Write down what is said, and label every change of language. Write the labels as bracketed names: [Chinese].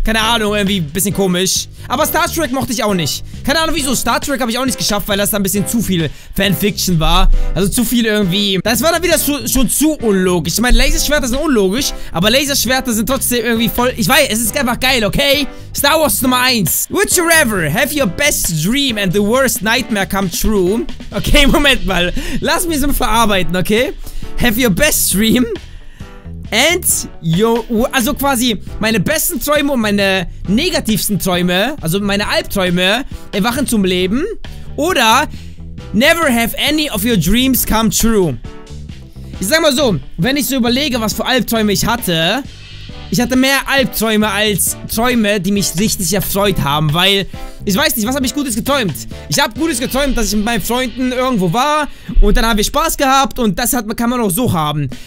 [German] Keine Ahnung, irgendwie ein bisschen komisch. Aber Star Trek mochte ich auch nicht. Keine Ahnung wieso, Star Trek habe ich auch nicht geschafft, weil das da ein bisschen zu viel Fanfiction war. Also zu viel irgendwie. Das war dann wieder schon zu unlogisch. Ich meine, Laserschwerter sind unlogisch, aber Laserschwerter sind trotzdem irgendwie voll... Ich weiß, es ist einfach geil, okay? Star Wars Nummer 1. [English] Would you rather have your best dream and the worst nightmare come true? [German] Okay, Moment mal. Lass mich so verarbeiten, okay? [English] Have your best dream... And your, [German] also quasi meine besten Träume und meine negativsten Träume, also meine Albträume, erwachen zum Leben. Oder [English] never have any of your dreams come true. [German] Ich sag mal so, wenn ich so überlege, was für Albträume ich hatte mehr Albträume als Träume, die mich richtig erfreut haben, weil ich weiß nicht, was habe ich Gutes geträumt? Ich habe Gutes geträumt, dass ich mit meinen Freunden irgendwo war und dann haben wir Spaß gehabt und das kann man auch so haben.